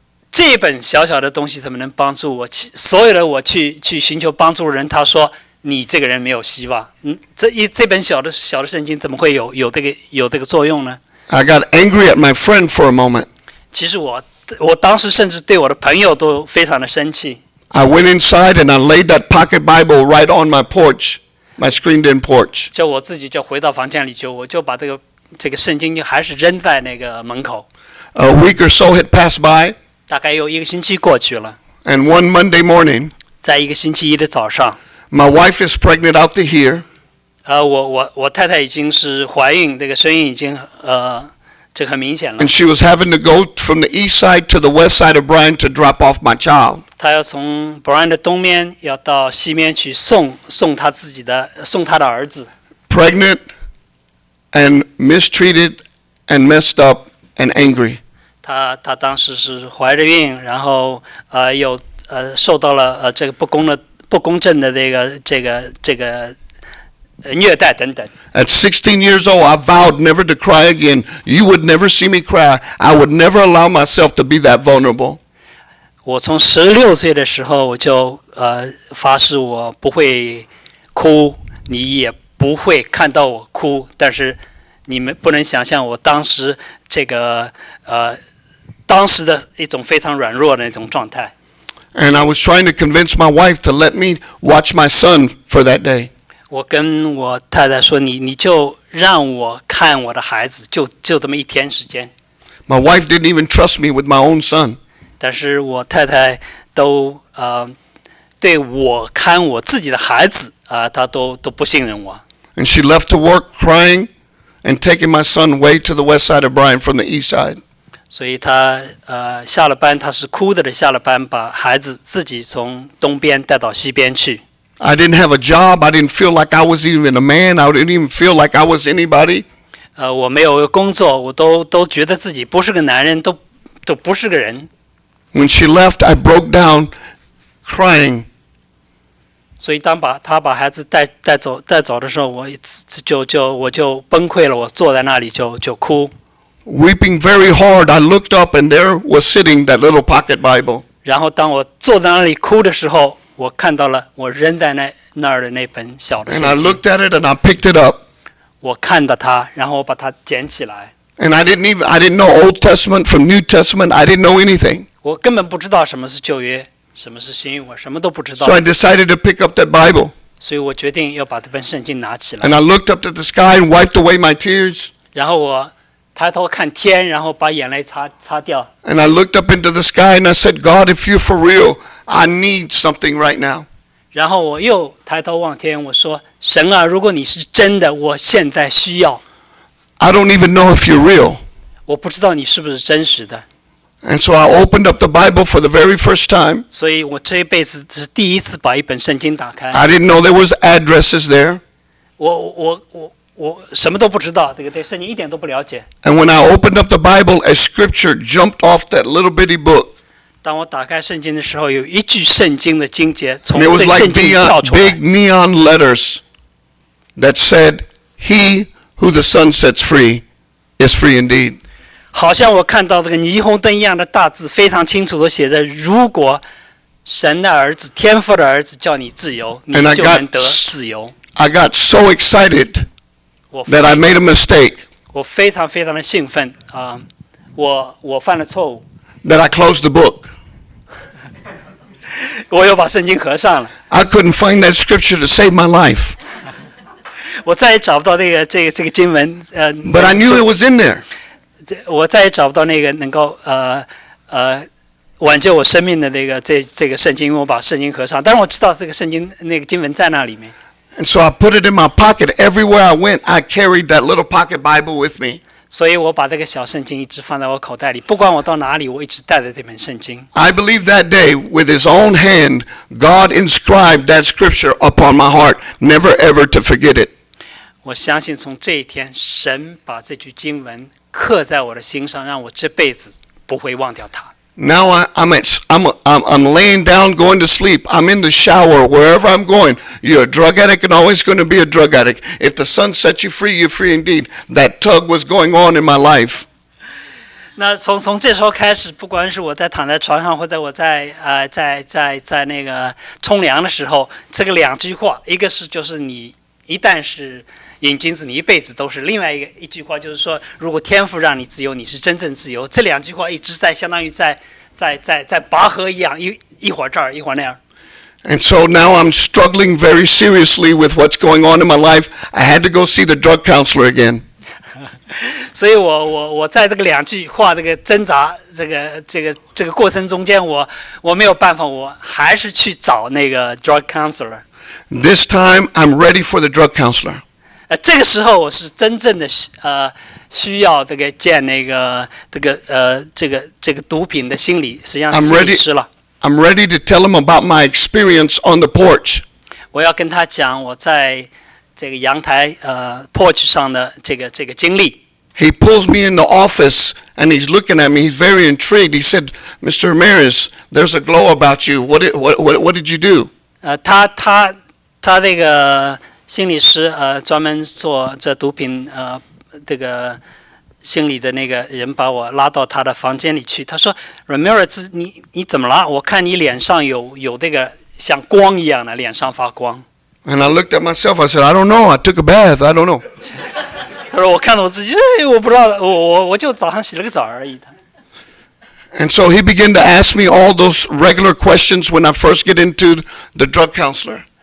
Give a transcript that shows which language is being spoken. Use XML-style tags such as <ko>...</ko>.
<zh>这本小小的东西怎么能帮助我？所有的我去寻求帮助的人，他说你这个人没有希望。这本小的圣经怎么会有这个作用呢</zh> <en>？I got angry at my friend for a moment.</en> <zh>其实我当时甚至对我的朋友都非常的生气。</zh> <en>I went inside and I laid that pocket Bible right on my porch. My screened-in porch.</en> <zh>就我自己就回到房间里去，我就把这个圣经就还是扔在那个门口。</zh> <en>A week or so had passed by.</en> <zh>大概有一个星期过去了。</zh> <en>And one Monday morning.</en> <zh>在一个星期一的早上。</zh> <en>My wife is pregnant out to here.</en> <zh>我太太已经是怀孕，这个声音已经这很明显了。</zh> <en>And she was having to go from the east side to the west side of Bryan to drop off my child.</en> <zh>她要从 Bryan 的东面要到西面去送她自己的送她的儿子。</zh> <en>Pregnant, and mistreated and messed up and angry.</en> <zh>她当时是怀着孕，然后又受到了这个不公正的这个虐待等等。</zh> <en>At 16 years old, I vowed never to cry again. You would never see me cry. I would never allow myself to be that vulnerable.</en> <zh>我从16岁的时候就发誓我不会哭，你也不会看到我哭，但是你们不能想象我当时这个当时的一种非常软弱的一种状态。</zh> <en>And I was trying to convince my wife to let me watch my son for that day.</en> <zh>我跟我太太说，你就让我看我的孩子，就这么一天时间。</zh> <en>My wife didn't even trust me with my own son.</en> <zh>但是我太太都对我看我自己的孩子她都不信任我。</zh> <en>And she left to work crying. And taking my son way to the west side of Bryan from the east side.</en> <zh>所以他下了班，他是哭着的下了班，把孩子自己从东边带到西边去。</zh> <en>I didn't have a job. I didn't feel like I was even a man. I didn't even feel like I was anybody.</en> <zh>我没有工作，我都觉得自己不是个男人，都不是个人。</zh> <en>When she left, I broke down, crying.</en> <zh>所以当他把孩子带走的时候，我就崩溃了。我坐在那里就哭</zh> <en>，weeping very hard. I looked up and there was sitting that little pocket Bible.</en> <zh>然后当我坐在那里哭的时候，我看到了我扔在那儿的那本小的圣经。</zh> <en>And I looked at it and I picked it up.</en> <zh>我看到它，然后我把它捡起来。</zh> <en>And I didn't know Old Testament from New Testament. I didn't know anything.</en> <zh>我根本不知道什么是旧约。什么是新约？我什么都不知道。</zh> <en>So I decided to pick up that Bible.</en> <zh>所以我决定要把这本圣经拿起来。</zh> <en>And I looked up to the sky and wiped away my tears.</en> <zh>然后我抬头看天，然后把眼泪擦掉。</zh> <en>And I looked up into the sky and I said, God, if you're for real, I need something right now.</en> <zh>然后我又抬头望天，我说，神啊，如果你是真的，我现在需要。</zh> <en>I don't even know if you're real.</en> <zh>我不知道你是不是真实的。</zh> <en>And so I opened up the Bible for the very first time.</en> <zh>所以我这一辈子是第一次把一本圣经打开。</zh> <en>I didn't know there was addresses there.</en> <zh>我什么都不知道，这个对圣经一点都不了解。</zh> <en>And when I opened up the Bible, a scripture jumped off that little bitty book.</en> <zh>当我打开圣经的时候，有一句圣经的经节从圣经跳出来。</zh> <en>And it was like big neon letters that said, "He who the Son sets free is free indeed."</en> <zh>好像我看到这个霓虹灯一样的大字，非常清楚地写着：“如果神的儿子、天父的儿子叫你自由，你就能得自由。”</zh> <en>I got so excited that I made a mistake.</en> <zh>我非常非常的兴奋啊！我犯了错误。</zh> <en>That I closed the book.</en> <zh>我又把圣经合上了。</zh> <en>I couldn't find that scripture to save my life.</en> <zh>我再也找不到这个经文。</zh> <en>But I knew it was in there.</en> <zh>我再也找不到那个能够挽救我生命的那个这个圣经，因为我把圣经合上。但是我知道这个圣经那个经文在那里面。</zh> <en>And so I put it in my pocket. Everywhere I went, I carried that little pocket Bible with me.</en> <zh>所以我把这个小圣经一直放在我口袋里，不管我到哪里，我一直带着这本圣经。</zh> <en>I believe that day, with His own hand, God inscribed that scripture upon my heart, never ever to forget it.</en> <zh>我相信从这一天，神把这句经文。刻在我的心上，让我这辈子不会忘掉它。</zh> <en>Now I'm laying down, going to sleep. I'm in the shower, wherever I'm going. You're a drug addict and always going to be a drug addict. If the Son sets you free, you're free indeed. That tug was going on in my life.</en> <zh>那从这时候开始，不管是我在躺在床上，或者我在那个冲凉的时候，这个两句话，一个是就是你一旦是。瘾君子，你一辈子都是。另外一句话就是说，如果天父让你自由，你是真正自由。这两句话一直在，相当于在拔河一样，一会儿这儿，一会儿那儿。</zh> <en>And so now I'm struggling very seriously with what's going on in my life. I had to go see the drug counselor again.</en> <zh>所以我在这个两句话这个挣扎这个过程中间，我没有办法，我还是去找那个</zh> <en>drug counselor. This time I'm ready for the drug counselor.</en> <zh>这个时候我是真正的需要这个见那个这个毒品的心理，实际上是心理师了。</zh> <en>I'm ready to tell him about my experience on the porch.</en> <zh>我要跟他讲我在这个阳台porch 上的这个经历。</zh> <en>He pulls me in the office and he's looking at me. He's very intrigued. He said, "Mr. Maris, there's a glow about you. What did you do?"</en> <zh>他这个心理师专门做这毒品这个心理的那个人把我拉到他的房间里去。他说 ，Ramirez， 你怎么了？我看你脸上有这个像光一样的脸上发光。</zh> <en>And I looked at myself. I said, "I don't know. I took a bath. I don't know."</en> <zh>他说我看到我自己，哎，我不知道，我就早上洗了个澡而已。</zh> <en>And so he began to ask me all those regular questions when I first get into the drug counselor.</en>